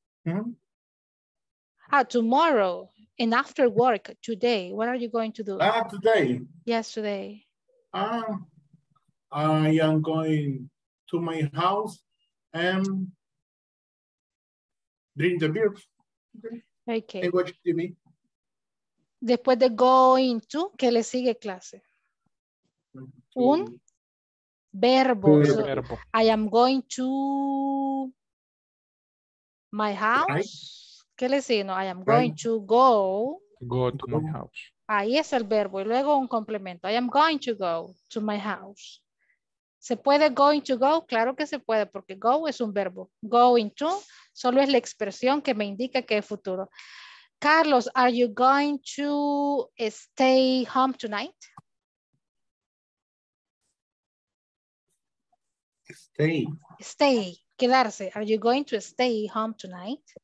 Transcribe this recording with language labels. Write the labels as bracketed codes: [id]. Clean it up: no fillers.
[en] Mm-hmm. Tomorrow. And after work, today, what are you going to do? Today. Yesterday. I am going to my house and drink the beer. Okay. And watch TV. [es] Después de going to, ¿qué le sigue clase? Un verbo. [en] So, I am going to my house. [es] ¿Qué le sigue? [en] No, I am going to go. Go to my house. [es] Ahí es el verbo y luego un complemento. [en] I am going to go to my house. [es] ¿Se puede going to go? Claro que se puede porque go es un verbo. Going to solo es la expresión que me indica que es futuro. [en] Carlos, are you going to stay home tonight? Stay. [es] Quedarse. [en] Are you going to stay home tonight?